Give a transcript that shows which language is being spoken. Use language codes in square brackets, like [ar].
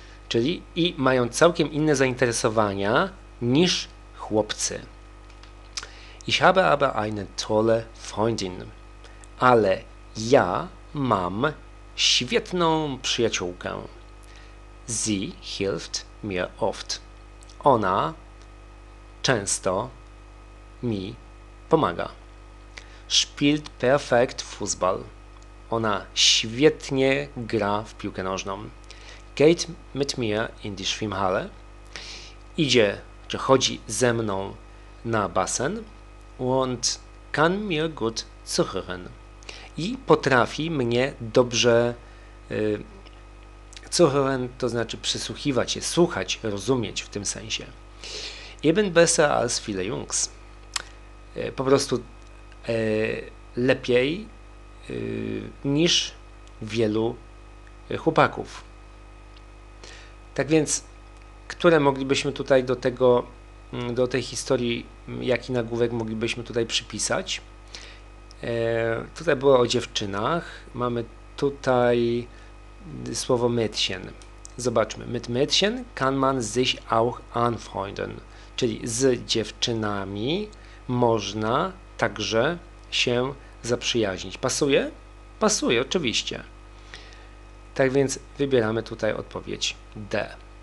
[pl] Czyli i mają całkiem inne zainteresowania niż chłopcy. [de] Ich habe aber eine tolle Freundin. [pl] Ale ja mam świetną przyjaciółkę. [de] Sie hilft mir oft. [pl] Ona często mi pomaga. [de] Spielt perfekt Fußball. [pl] Ona świetnie gra w piłkę nożną. [de] Geht mit mir in die Schwimmhalle. [pl] Idzie, czy chodzi ze mną na basen. [de] Und kann mir gut zuhören. [pl] I potrafi mnie dobrze zuhören, to znaczy przysłuchiwać się, słuchać, rozumieć w tym sensie. [de] Eben besser als viele Jungs. [pl] Po prostu lepiej niż wielu chłopaków. Tak więc, które moglibyśmy tutaj do tej historii, jaki nagłówek moglibyśmy tutaj przypisać? Tutaj było o dziewczynach. Mamy tutaj słowo Mädchen. Zobaczmy. [de] Mit Mädchen kann man sich auch anfreunden. [pl] Czyli z dziewczynami można także się zaprzyjaźnić. Pasuje? Pasuje, oczywiście. Tak więc wybieramy tutaj odpowiedź D.